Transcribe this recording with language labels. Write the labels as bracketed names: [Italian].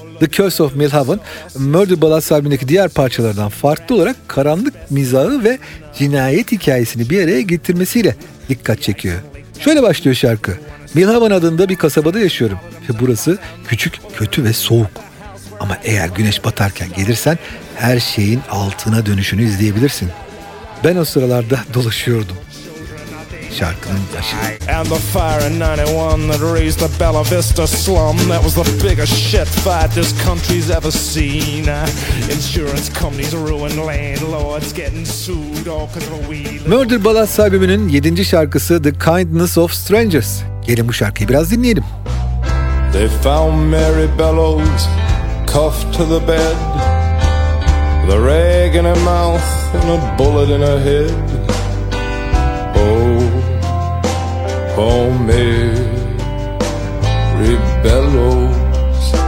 [Turkish] The Curse of Millhaven, Murder Ballads albümündeki diğer parçalardan farklı olarak karanlık mizahı ve cinayet hikayesini bir araya getirmesiyle dikkat çekiyor. Şöyle başlıyor şarkı. Millhaven adında bir kasabada yaşıyorum ve burası küçük, kötü ve soğuk. Ama eğer güneş batarken gelirsen her şeyin altına dönüşünü izleyebilirsin. Ben o sıralarda dolaşıyordum. Şarkının başı. [English] And the fire in 91 that raised the Bella Vista slum. That was the biggest shit fight this country's ever seen. Insurance companies ruin landlords getting sued all because of a wheel. [Turkish] Murder Ballads albümünün 7. şarkısı The Kindness of Strangers. Gelin bu şarkıyı biraz dinleyelim. [English] They found Mary Bellows cuffed to the bed. The rag in her mouth and a bullet in her head. Oh, oh Mary Bellows.